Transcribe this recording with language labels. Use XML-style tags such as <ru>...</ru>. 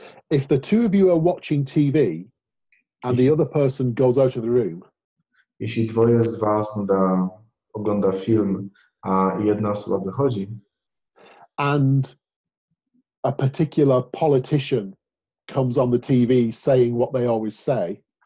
<en>if the two of you are watching TV and the other person goes out of the room,</en> <pl>jeśli dwoje z was ogląda film, a jedna osoba wychodzi,</pl> <en>and a particular politician comes on the TV saying what they always say,</en>